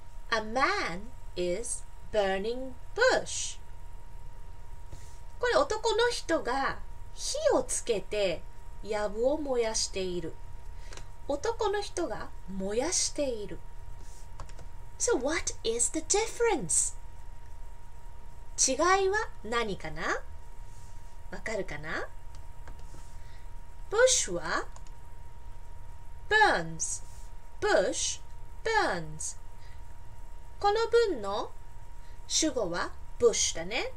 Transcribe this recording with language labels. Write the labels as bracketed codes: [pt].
[en] A man is burning bush. [ja] これ男の人が火をつけてやぶを燃やしている。男の人が燃やしている。 [en] So what is the difference? [ja] 違いは何かな、わかるかな。 [en] Bush は burns. Bush burns. [ja] この文の主語は bush だね。